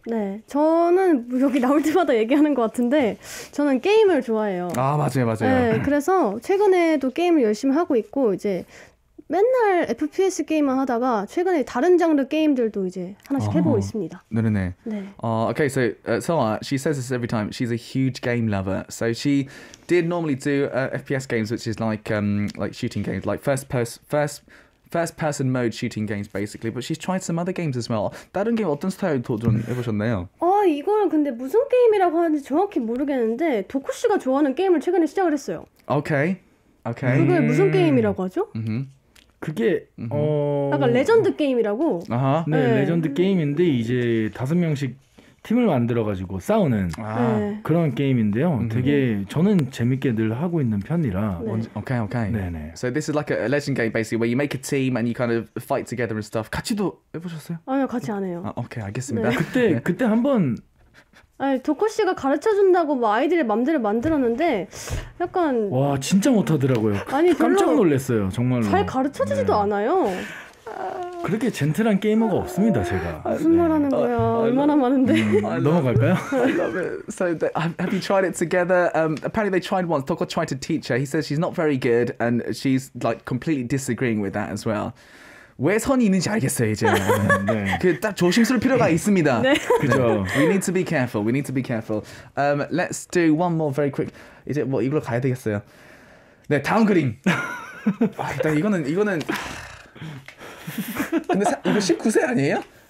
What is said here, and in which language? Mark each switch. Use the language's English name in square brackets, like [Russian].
[Korean] 네, 저는 여기 나올 때마다 얘기하는 것 같은데 저는 게임을 좋아해요. 아, 맞아요. 네, 그래서 최근에도 게임을 열심히 하고 있고 이제. 맨날 FPS 게임만 하다가 최근에 다른 장르 게임들도 이제 하나씩 해보고 있습니다. 네네. 네. [English] Okay, so Soa, she says this every time. She's a huge game lover. So she did normally do FPS games, which is like shooting games, like first person mode shooting games, basically. But she's tried some other games as well. [Korean] 다른 게임 어떤 스타일 도전 해보셨나요? 이거는 근데 무슨 게임이라고 하는지 정확히 모르겠는데 도쿠 씨가 좋아하는 게임을 최근에 시작을 했어요. [English] Okay. [Korean] 그게 무슨 게임이라고 하죠? 그게 약간 레전드 게임이라고? 아하. 네, 네, 레전드 게임인데 이제 다섯 명씩 팀을 만들어가지고 싸우는 그런 게임인데요. 되게 저는 재밌게 늘 하고 있는 편이라. 네. Okay. 네네. [English] So this is like a legend game basically where you make a team and you kind of fight together and stuff. [Korean] 같이도 해보셨어요? 아니요, 같이 안 해요. 아, okay, 알겠습니다. 네. 그때 한번 아니, 도코 씨가 가르쳐준다고 뭐 아이들의 맘대로 만들었는데 약간 와 진짜 못하더라고요. 아니, 깜짝 놀랐어요 정말로. 잘 가르쳐주지도 않아요. 그렇게 젠틀한 게이머가 없습니다, 제가. 무슨 말 하는 거야? 얼마나 많은데. 넘어갈까요? [English] I love it. So they, have you tried it together? Apparently they tried once. Toko tried to teach her. He says she's not very good and she's like completely disagreeing with that as well. [Korean] 왜 선이 있는지 알겠어요, 이제. 네. 그 딱 조심스러울 필요가 있습니다. 네. 그렇죠. [English] We need to be careful. We need to be careful. Let's do one more very quick. [Korean] 이제 뭐 이걸로 가야 되겠어요. 네, 다음 그림. 아, 일단 이거는 근데 이거 19세 아니에요?